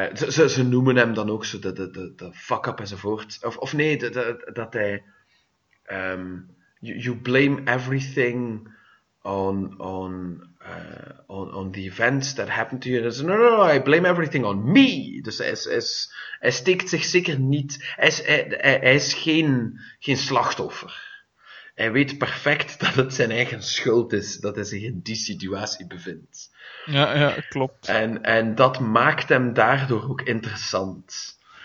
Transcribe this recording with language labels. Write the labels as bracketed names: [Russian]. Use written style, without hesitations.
[Dutch] ze noemen hem dan ook zo de fuck-up enzovoort. Dat hij... [English] you blame everything on the events that happened to you. Says, no, I blame everything on me. [Dutch] Dus hij steekt zich zeker niet... Hij is geen slachtoffer. Hij weet perfect dat het zijn eigen schuld is dat hij zich in die situatie bevindt. Ja, klopt. En dat maakt hem daardoor ook interessant.